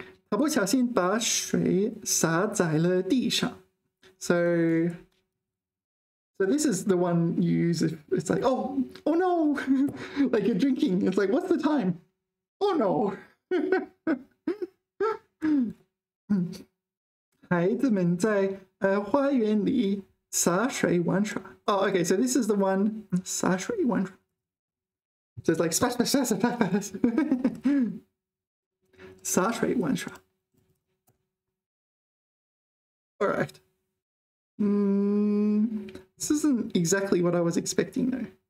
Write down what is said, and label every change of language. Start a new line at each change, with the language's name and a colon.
Chinese: 他不小心把水洒在了地上.
English: So this is the one you use if it's like, oh no, like you're drinking. It's like, what's the time? Oh no.
Chinese: 孩子们在花园里洒水玩耍.
English: Oh, okay, so this is the one,
Chinese: 洒水玩耍.
English: So it's like, splash, splash, splash, splash, splash.
Chinese: 洒水玩耍.
English: All right. This isn't exactly what I was expecting, though.